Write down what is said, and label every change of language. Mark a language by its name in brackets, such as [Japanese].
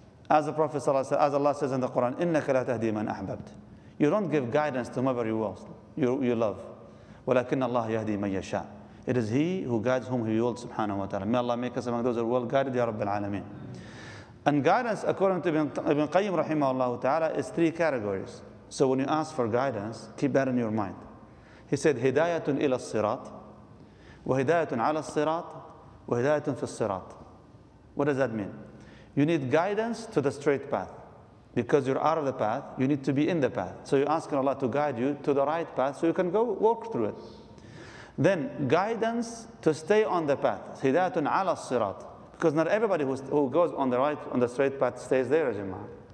[English] As the Prophet sallallahu alayhi wa sallam, as Allah says in the Quran, إِنَّكَ لَا تَهْدِي مَنْ أَحْبَبْتِ. You don't give guidance to whomever you love. [Arabic] وَلَكِنَّ اللَّهَ يَهْدِي مَنْ يَشَاءُ. [English] It is He who guides whom He wills, subhanahu wa ta'ala. May Allah make us among those who are well guided, ya Rabbil Alameen. And guidance, according to Ibn Qayyim rahimahullah ta'ala, is three categories. So when you ask for guidance, keep that in your mind. [Arabic] He said, هِدَايَةٌ إِلَى الصِّرَاطِ وَهِدَايَةٌ عَلَى الصِّرَاطِ وَهِدَايَةٌ فِي الصِّرَاطِ. [English] What does that mean? You need guidance to the straight path. Because you're out of the path, you need to be in the path. So you're asking Allah to guide you to the right path so you can go walk through it. Then guidance to stay on the path. هِدَايَةٌ عَلَى الصِّرَاطِ. Because not everybody who goes on the right, on the straight path stays there, ya jama'ah.